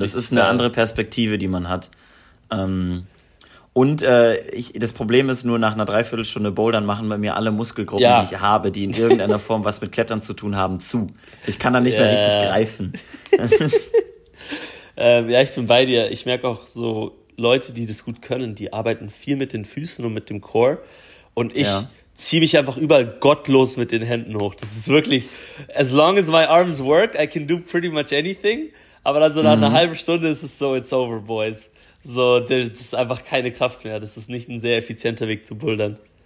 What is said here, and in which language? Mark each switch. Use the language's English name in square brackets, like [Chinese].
[German] Das ist eine andere Perspektive, die man hat. Und das Problem ist nur, nach einer Dreiviertelstunde Bouldern machen bei mir alle Muskelgruppen, die ich habe, die in irgendeiner Form was mit Klettern zu tun haben, zu. Ich kann da nicht mehr richtig greifen. Ja, ich bin bei dir. Ich merke auch so, Leute, die das gut können, die arbeiten viel mit den Füßen und mit dem Core. Und ich ziehe mich einfach überall gottlos mit den Händen hoch. Das ist wirklich, [English] as long as my arms work, I can do pretty much anything. [German] Aber dann so nach einer halben Stunde ist es so, it's over, boys. So, das ist einfach keine Kraft mehr. Das ist nicht ein sehr effizienter Weg zu bouldern.